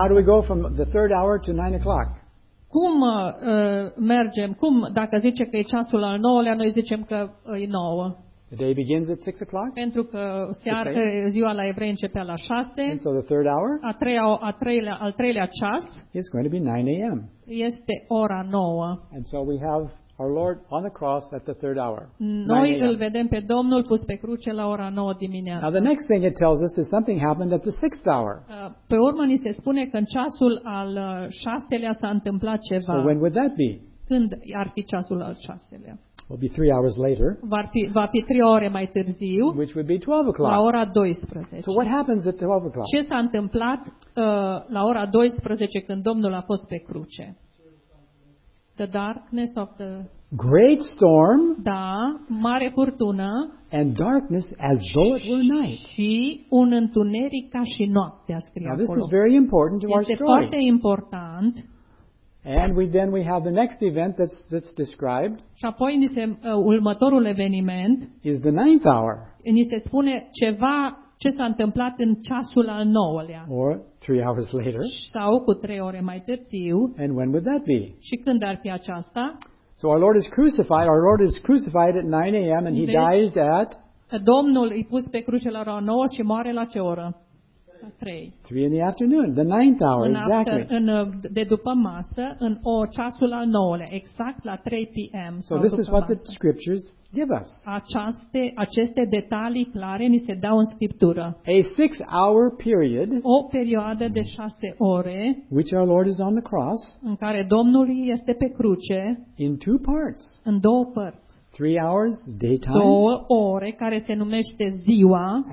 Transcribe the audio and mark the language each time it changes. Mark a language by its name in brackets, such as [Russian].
[English] How do we go from the third hour to 9 o'clock? [Romanian] Cum mergem? Cum dacă zice că e ceasul al 9-lea, noi zicem că e 9. [English] The day begins at 6 o'clock. [Romanian] Pentru că seara, ziua la evrei începea la 6. [English] And so the third hour. [Romanian] Al treilea ceas. [English] It's going to be 9 a.m. [Romanian] Este ora 9. [English] And so we have our Lord on the cross at the third hour. [Romanian] Noi îl vedem pe Domnul pus pe cruce la ora 9 dimineața. [English] Now the next thing it tells us is something happened at the sixth hour. [Romanian] Pe urmă ni se spune că în ceasul al 6-lea s-a întâmplat ceva. [English] So when would that be? [Romanian] Când ar fi ceasul al 6-lea? [English] Will be 3 hours later. [Romanian] Va fi 3 ore mai târziu. [English] Which would be 12 o'clock. [Romanian] La ora 12. [English] So what happens at 12 o'clock? [Romanian] Ce s-a întâmplat la ora 12 când Domnul a fost pe cruce? [English] The darkness of the. Great storm. [Romanian] Da, mare furtună. [English] And darkness as though it were night. [Romanian] Și un întuneric ca și noaptea, scrie acolo. [English] Now this is very important to our story. [Romanian] Este foarte important. [English] And we have the next event that's described. [Romanian] Și apoi ni se următorul eveniment. [English] Is the ninth hour. [Romanian] Ni se spune ceva ce s-a întâmplat în ceasul al 9-lea. [English] Or 3 hours later. [Romanian] Sau cu 3 ore mai târziu. [English] And when would that be? [Romanian] Și când ar fi aceasta? [English] So our Lord is crucified at 9 a.m. and [Romanian] deci, [English] he dies at. [Romanian] Domnul i-a pus pe cruce la ora 9 și moare la ce oră? 3. [English] 3 in the afternoon, the ninth hour, exactly. [Romanian] De după masă, în ceasul al 9-lea, exact la 3 p.m. [English] So this is what the scriptures give us. [Romanian] Aceste detalii clare ni se dau în scriptură. [English] A 6-hour period. [Romanian] O perioadă de 6 ore. [English] Which our Lord is on the cross. [Romanian] În care Domnul este pe cruce. [English] In two parts. [Romanian] În două părți. [English] 3 hours daytime. [Romanian] 2 ore care se numește ziua.